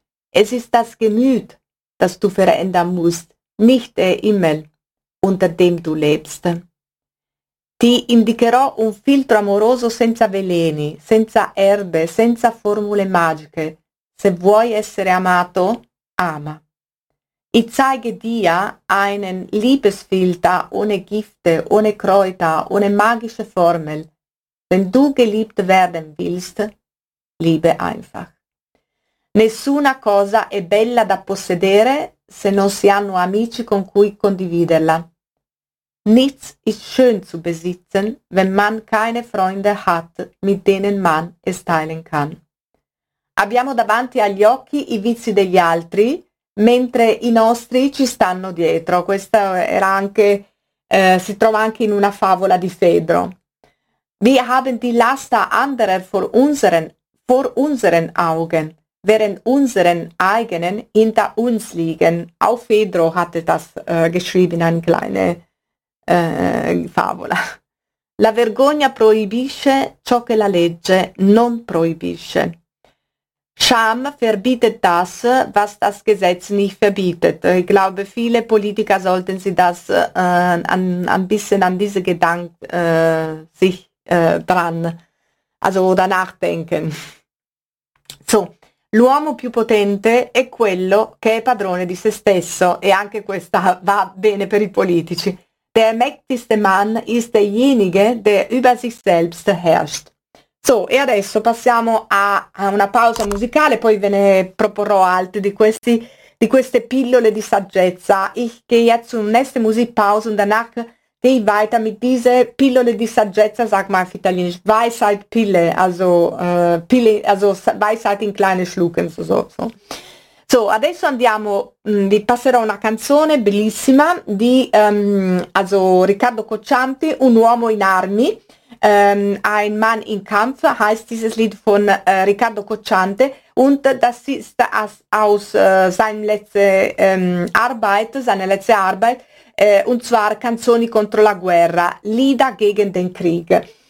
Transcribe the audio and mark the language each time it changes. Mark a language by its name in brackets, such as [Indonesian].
[German] Es ist das Gemüt, das du verändern musst, nicht der Himmel, unter dem du lebst. [Italian] Ti indicherò un filtro amoroso senza veleni, senza erbe, senza formule magiche. Se vuoi essere amato, ama. [German] Ich zeige dir einen Liebesfilter ohne Gifte, ohne Kräuter, ohne magische Formel. Wenn du geliebt werden willst, liebe einfach. [Italian] Nessuna cosa è bella da possedere, se non si hanno amici con cui condividerla. [German] Nichts ist schön zu besitzen, wenn man keine Freunde hat, mit denen man es teilen kann. [Italian] Abbiamo davanti agli occhi i vizi degli altri, mentre i nostri ci stanno dietro. Questa era anche, si trova anche in una favola di Fedro. [German] Wir haben die Laster anderer vor unseren Augen, während unseren eigenen hinter uns liegen. Auch Fedro hatte das geschrieben, eine kleine favola. [Italian] La vergogna proibisce ciò che la legge non proibisce. [German] Scham verbietet das, was das Gesetz nicht verbietet. Ich glaube, viele Politiker sollten sich das ein bisschen an diese Gedanken sich dran, also oder nachdenken. [Italian] So, l'uomo più potente è quello che è padrone di se stesso, e anche questa va bene per i politici. [German] Der mächtigste Mann ist derjenige, der über sich selbst herrscht. [Italian] So, e adesso passiamo a una pausa musicale, poi ve ne proporrò altre di queste pillole di saggezza. [German] Ich gehe jetzt zur nächsten Musikpause und danach gehe ich weiter mit diese [Italian] pillole di saggezza, [German] sag mal auf Italienisch, Weisheit Pille, also Weisheit in kleine Schlucken, so. [Italian] So, adesso andiamo, vi passerò una canzone bellissima di Riccardo Cocciante, Un uomo in armi, [German] Ein Mann in Kampf heißt dieses Lied von Riccardo Cocciante, und das ist aus seiner letzten Arbeit, und zwar [Italian] Canzoni contro la guerra, [German] Lieder gegen den Krieg.